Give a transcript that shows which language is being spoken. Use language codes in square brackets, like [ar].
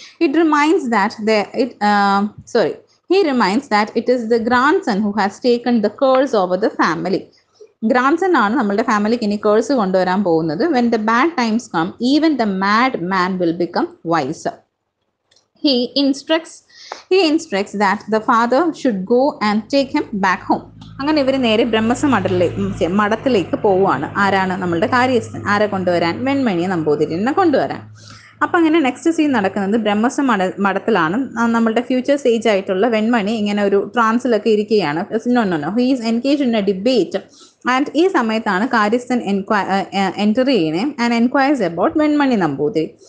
[en] It reminds that the it sorry he reminds that it is the grandson who has taken the curse over the family. [ml] Grand sun ആണ് നമ്മളുടെ ഫാമിലിക്ക് ഇനി curse കൊണ്ടുവരാൻ പോകുന്നത്. [en] When the bad times come even the mad man will become wiser. He instructs that the father should go and take him back home. [ml] അങ്ങനെ ഇവർ നേരെ മഠത്തിലേക്ക് പോവുകയാണ്. ആരാണ് നമ്മളുടെ കാര്യസ്ഥൻ, ആരെ കൊണ്ടുവരാൻ, വെൺമണിയെ നമ്പൂതിരിനെ കൊണ്ടുവരാൻ. അപ്പം അങ്ങനെ നെക്സ്റ്റ് സീൻ നടക്കുന്നത് ബ്രഹ്മസ്വ മഠത്തിലാണ്. നമ്മളുടെ ഫ്യൂച്ചർ സേജ് ആയിട്ടുള്ള വെൺമണി ഇങ്ങനെ ഒരു ട്രാൻസിലൊക്കെ ഇരിക്കുകയാണ്. [en] he is engage in a debate and [ml] ഈ സമയത്താണ് കാര്യസ്ഥൻ എൻറ്റർ ചെയ്യണേ [en] And enquires about Venmani Namboothiri.